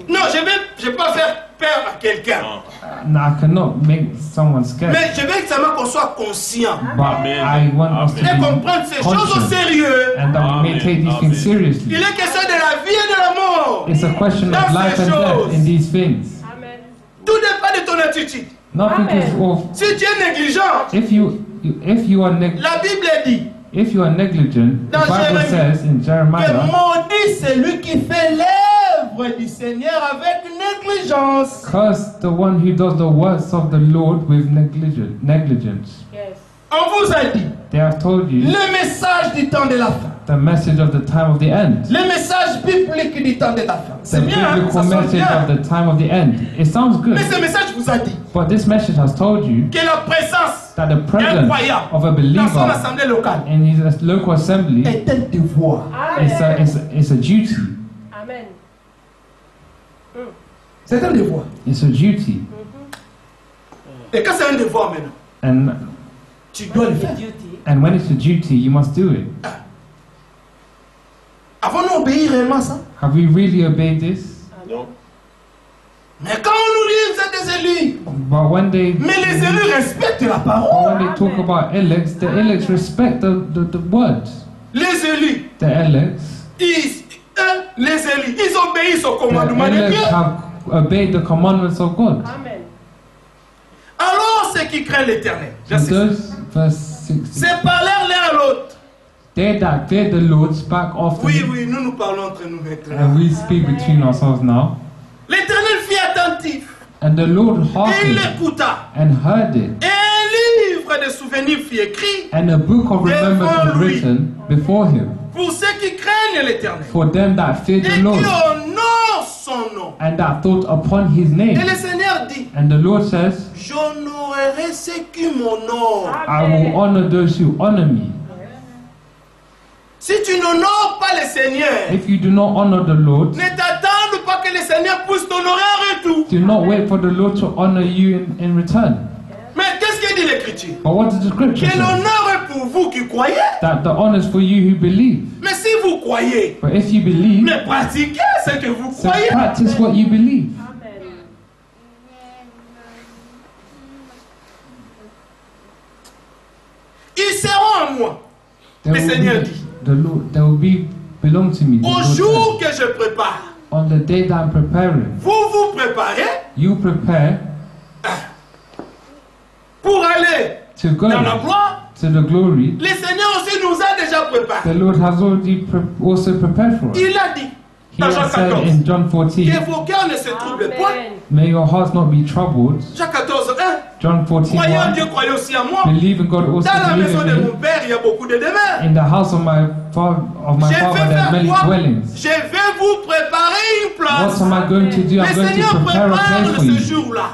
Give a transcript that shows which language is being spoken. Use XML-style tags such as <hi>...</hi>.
<fr>Non, je vais pas faire peur à quelqu'un.</fr> <en>No, I cannot make someone scared.</en> <fr>Mais je veux seulement qu'on soit conscient.</fr> <en>But I want us to</en> <fr>comprendre ces choses au sérieux.</fr> <en>And that we take these things seriously.</en> <fr>Il est question de la vie et de la mort.</fr> <en>It's a question of life and death in these things. Amen.</en> <fr>Tout dépend de ton attitude.</fr> <en>Not because of.</en> <fr>Si tu es négligent.</fr> <en>If you are negligent.</en> <fr>La Bible dit.</fr> <en>If you are negligent, the Bible says in Jeremiah.</en> <fr>Que maudit celui qui fait l'œuvre du Seigneur avec négligence.</fr> <en>Curse the one who does the works of the Lord with negligence. Yes.</en> <fr>On vous a dit.</fr> <en>They have told you.</en> <fr>Le message du temps de la fin.</fr> <en>the message of the time of the end.</en> <fr>Le message biblique du temps de la fin. C'est bien, hein? Ça sonne bien.</fr> <en>Of the time of the end. It sounds good.</en> <fr>Mais ce message vous a dit.</fr> <en>But this message has told you</en> <fr>que la présence</fr> <en>that the presence of a believer</en> <fr>dans son assemblée locale</fr> <en>in his local assembly</en> <fr>est un devoir.</fr> <en>It's a duty. Amen.</en> <fr>C'est un devoir.</fr> <en>It's a duty.</en> <fr>Mm-hmm. Et quand c'est un devoir maintenant?</fr> <en>And</en> <fr>tu dois le faire.</fr> <en>And when it's a duty, you must do it.</en> <fr>Avons-nous obéi réellement ça?</fr> <en>Have we really obeyed this? No.</en> <fr>Mais quand on nous dit c'est des élus.</fr> <en>But when they.</en> <fr>Mais les élus respectent la parole.</fr> <en>When they talk about elects, the elects respect the words.</en> <fr>Les élus.</fr> <en>The elects.</en> <fr>Ils, les élus, ils obéissent au commandement de Dieu.</fr> <en>The elects have obeyed the commandments of God. Amen.</en> <fr>Alors ceux qui craignent l'Éternel.</fr> <en>Verse 16.</en> <fr>C'est parler l'un à l'autre.</fr> <en>They that fear the Lord spoke often.</en> <fr>Oui, oui, nous nous parlons entre nous maintenant.</fr> <en>And we speak between ourselves now.</en> <fr>L'Éternel fit attentif.</fr> <en>And the Lord hearkened.</en> <fr>Et il écouta.</fr> <en>And heard it.</en> <fr>Et un livre de souvenirs fut écrit.</fr> <en>And a book of remembrance was written before him.</en> <fr>Pour ceux qui craignent l'Éternel.</fr> <en>For them that fear the Lord.</en> <fr>Et qui honorent son nom.</fr> <en>And that thought upon his name.</en> <fr>Et le Seigneur dit.</fr> <en>And the Lord says.</en> <fr>J'honorerai ceux qui m'honorent.</fr> <en>I will honor those who honor me.</en> <fr>Si tu n'honores pas le Seigneur,</fr> <en>if you do not honor the Lord,</en> <fr>ne t'attends pas que le Seigneur puisse t'honorer en retour.</fr> <en>Do not wait for the Lord to honor you in return.</en> <fr>Mais qu'est-ce que dit l'Écriture?</fr> <en>But what does the Scripture</en> <fr>say? Que l'honneur est pour vous qui croyez.</fr> <en>That the honor is for you who believe.</en> <fr>Mais si vous croyez,</fr> <en>but if you believe,</en> <fr>mais pratiquez ce que vous</fr> <en>so</en> <fr>croyez.</fr> <en>Practice what you believe. Amen.</en> <fr>Ils seront à moi.</fr> <en>There</en> <fr>le Seigneur dit.</fr> <en>The Lord, they will be belong to me.</en> <fr>Au jour que je prépare.</fr> <en>On the day that I'm preparing.</en> <fr>Vous vous préparez.</fr> <en>You prepare.</en> <fr>Pour aller.</fr> <en>To go.</en> <fr>Dans la gloire.</fr> <en>To the glory.</en> <fr>Le Seigneur aussi nous a déjà préparé.</fr> <en>The Lord has already also prepared for us.</en> <fr>Il a dit.</fr> <en>He has said in John 14.</en> <fr>Que vos cœurs ne se troublent point.</fr> <en>May your hearts not be troubled.</en> <fr>Jean 14, hein?</fr> <en>John 14.</en> <fr>Croyant Dieu, croyez aussi à moi.</fr> <en>Believe in God also.</en> <fr>Dans la maison de mon père, il y a beaucoup de demeures.</fr> <en>In the house of my father, there are many dwellings.</en> <fr>Je vais vous préparer une place.</fr> <en>What am I going to do? I'm going to prepare a place for you.</en>